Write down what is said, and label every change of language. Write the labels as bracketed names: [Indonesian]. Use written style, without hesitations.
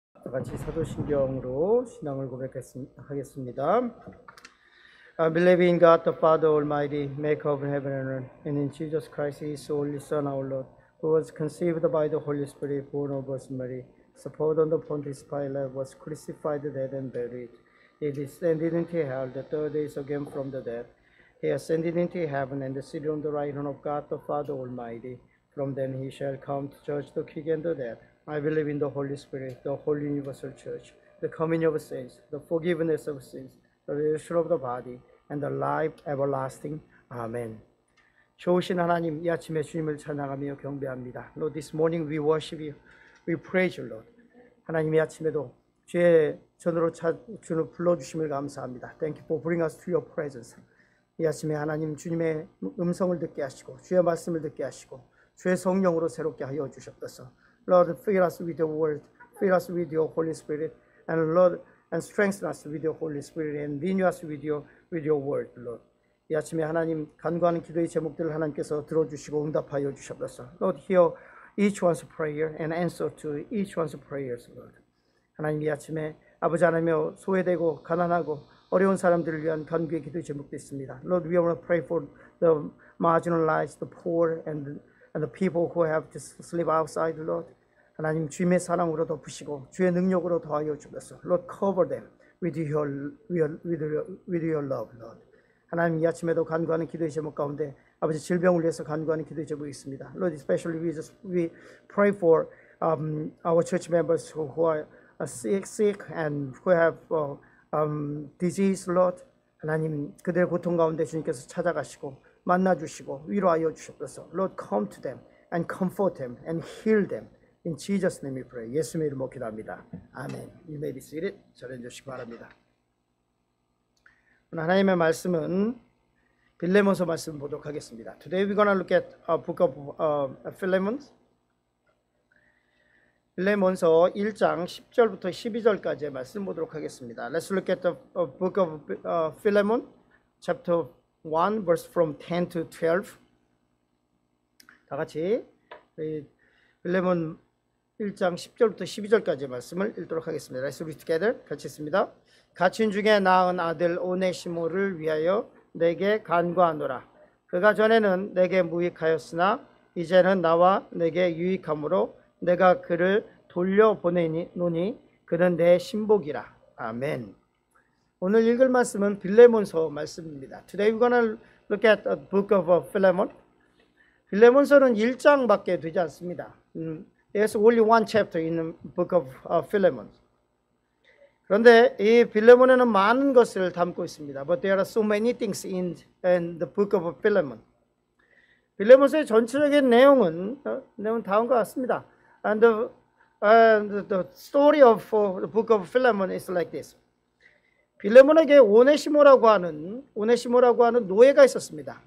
[Korean] 같이 사도신경으로 신앙을 고백하겠습니다. [English] I believe in God, the Father Almighty, maker of heaven and earth, and in Jesus Christ, his only Son, our Lord, who was conceived by the Holy Spirit, born of Virgin Mary, suffered under Pontius Pilate, was crucified, dead, and buried. He descended into hell, the third day is again from the dead. He ascended into heaven and seated on the right hand of God, the Father Almighty. From then he shall come to judge the quick and the dead. I believe in the Holy Spirit, the Holy Universal Church, the communion of saints, the forgiveness of sins, the resurrection of the body, and the life everlasting. Amen. [Korean] 좋으신 하나님, 이 아침에 주님을 찬양하며 경배합니다. [English] Lord, this morning we worship you. We praise you, Lord. [Korean] 하나님, 이 아침에도 주의 전으로 주를 불러주심을 감사합니다. [English] Thank you for bringing us to your presence. [Korean] 이 아침에 하나님 주님의 음성을 듣게 하시고 주의 말씀을 듣게 하시고 주의 성령으로 새롭게 하여 주셨어서 [English] Lord, fill us with your word, fill us with your Holy Spirit, and Lord, and strengthen us with your Holy Spirit, and renew us with your word, Lord. [Korean] 이 아침에 하나님 간구하는 기도의 제목들을 하나님께서 들어주시고 응답하여 주셨어서 [English] Lord, hear each one's prayer and answer to each one's prayers, Lord. [Korean] 하나님 이 아침에 아버지 하나님이여 소외되고 가난하고 어려운 사람들을 위한 간구의 기도의 제목도 있습니다. [English] Lord, we want to pray for the marginalized, the poor, and the people who have to sleep outside, Lord. [Korean] 하나님, 주님의 사랑으로 덮으시고 주의 능력으로 더하여 주소서. [English] Lord, cover them with your love, Lord. [Korean] 하나님, 이 아침에도 간구하는 기도의 제목 가운데 아버지 질병을 위해서 간구하는 기도의 제목이 있습니다. [English] Lord, especially we pray for our church members who are sick and who have disease, Lord. [Korean] 하나님, 그들의 고통 가운데 주님께서 찾아가시고 만나주시고 위로하여 주셨소서. [English] Lord, come to them and comfort them and heal them. In Jesus' name we pray. [Korean] 예수님의 이름으로 기도합니다. 아멘. [English] You may be seated. [Korean] 자리해 주시기 바랍니다. 오늘 하나님의 말씀은 빌레몬서 말씀 보도록 하겠습니다. [English] Today we're going to look at a book of Philemon. [Korean] 빌레몬서 1장 10절부터 12절까지의 말씀 보도록 하겠습니다. [English] Let's look at the book of Philemon, chapter 1 verse from 10 to 12. [Korean] 다 같이 빌레몬 1장 10절부터 12절까지 말씀을 읽도록 하겠습니다. [English] Let's read together. [Korean] 같이 읽습니다. 갇힌 중에 낳은 아들 오네시모를 위하여 내게 간구하노라. 그가 전에는 내게 무익하였으나 이제는 나와 내게 유익함으로 내가 그를 돌려보내노니 그는 내 신복이라. 아멘. 오늘 읽을 말씀은 빌레몬서 말씀입니다. [English] Today we're going to look at the book of Philemon. [Korean] 빌레몬서는 1장밖에 되지 않습니다. [English] There's only one chapter in the book of Philemon. [Korean] 그런데 이 빌레몬에는 많은 것을 담고 있습니다. [English] But there are so many things in the book of Philemon. [Korean] 빌레몬서의 전체적인 내용은 다음과 같습니다. [English] And the story of the book of Philemon is like this. [Korean] 빌레몬에게 오네시모라고 하는 노예가 있었습니다.